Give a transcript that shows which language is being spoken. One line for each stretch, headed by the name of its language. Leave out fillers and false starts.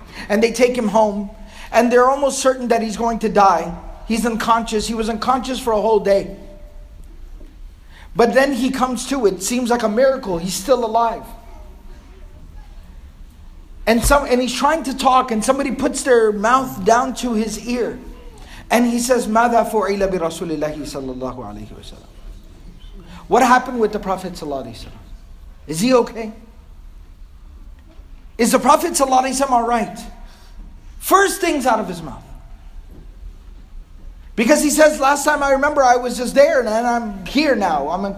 English: And they take him home. And they're almost certain that he's going to die. He's unconscious. He was unconscious for a whole day. But then he comes to, it seems like a miracle. He's still alive. And he's trying to talk and somebody puts their mouth down to his ear. And he says,
Arabic: مَاذَا فُعِلَ بِرَسُولِ اللَّهِ صَلَّى اللَّهُ عَلَيْهِ وَسَلَّمَ.
English: What happened with the Prophet ﷺ? Is he okay? Is the Prophet ﷺ alright? First things out of his mouth. Because he says, last time I remember I was just there and I'm here now.